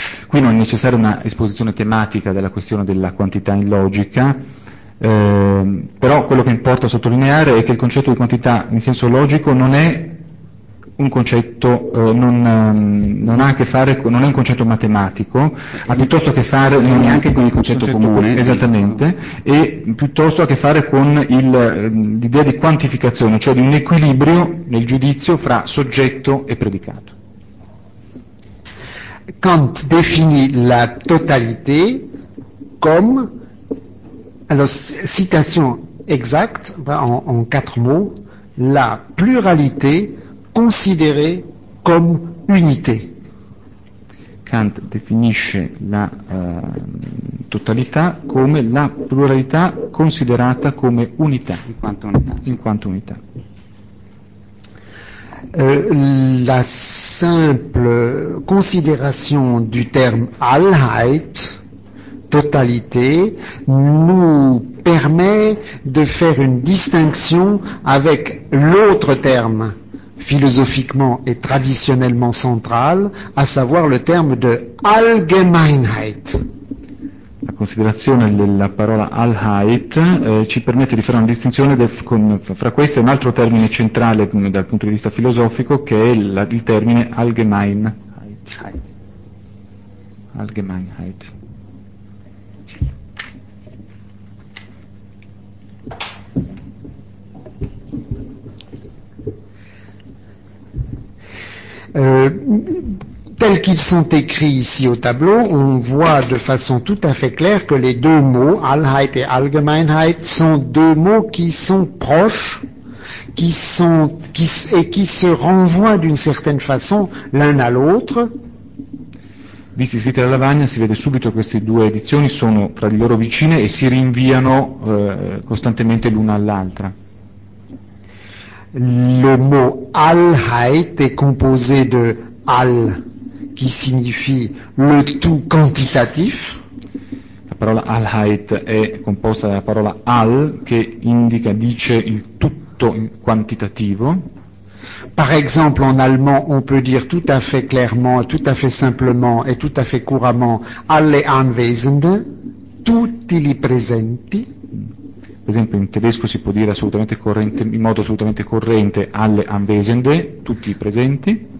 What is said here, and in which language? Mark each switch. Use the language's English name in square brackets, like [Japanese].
[Italian] Qui non è necessaria una esposizione tematica della questione della quantità in logica, però quello che importa sottolineare è che il concetto di quantità in senso logico non è un concetto, non ha a che fare, non è un concetto matematico, ha piuttosto a che fare neanche con il concetto comune, esattamente, no. E piuttosto a che fare con l'idea di quantificazione, cioè di un equilibrio nel giudizio fra soggetto e predicato. [French] Kant définit la totalité comme, alors citation exacte, en quatre mots, la pluralité considérée comme unité. [Italian] Kant definisce la totalità come la pluralità considerata come unità, in quanto unità. [French] La simple considération du terme Allheit, totalité, nous permet de faire une distinction avec l'autre terme philosophiquement et traditionnellement central, à savoir le terme de Allgemeinheit. [Italian] La considerazione della parola Allheit ci permette di fare una distinzione fra questo e un altro termine centrale dal punto di vista filosofico, che è il termine Allgemeinheit. [German] Allgemeinheit. [French] Tels qu'ils sont écrits ici au tableau, on voit de façon tout à fait claire que les deux mots, Allheit et Allgemeinheit, sont deux mots qui sont proches, qui se renvoient d'une certaine façon l'un à l'autre. [Italian] Visti scritti alla lavagna, si vede subito che queste due edizioni sono tra di loro vicine e si rinviano costantemente l'una all'altra. [French] Le mot Allheit est composé de Al, qui signifie le tout quantitatif. [Italian] La parola Allheit è composta dalla parola Al, che indica, dice, il tutto quantitativo. [French] Par exemple, en allemand, on peut dire tout à fait clairement, tout à fait simplement et tout à fait couramment [German] Alle Anwesenden, [Italian] tutti li presenti. Per esempio in tedesco si può dire assolutamente corrente, in modo assolutamente corrente, [German] alle anwesende, [Italian] tutti presenti.